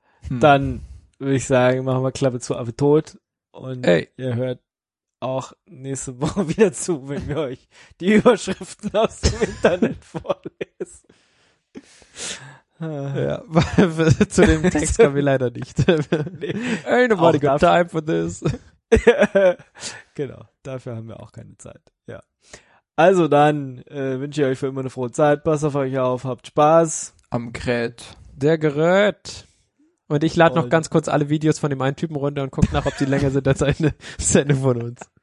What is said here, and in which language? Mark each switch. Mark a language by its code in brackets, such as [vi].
[de] Dann würde ich sagen, machen wir Klappe zu, Affe tot. Und ihr hört auch nächste Woche wieder zu, wenn wir euch die Überschriften aus dem Internet vorlesen. Ja, zu dem Text kommen wir leider nicht. Nee. [en] Ain't nobody got time for this. [de] Genau, dafür haben wir auch keine Zeit. Ja. Also dann wünsche ich euch für immer eine frohe Zeit. Passt auf euch auf, habt Spaß. Am Gerät. Der Gerät. Und ich lade noch ganz kurz alle Videos von dem einen Typen runter und guck nach, ob die länger sind als eine Sendung von uns.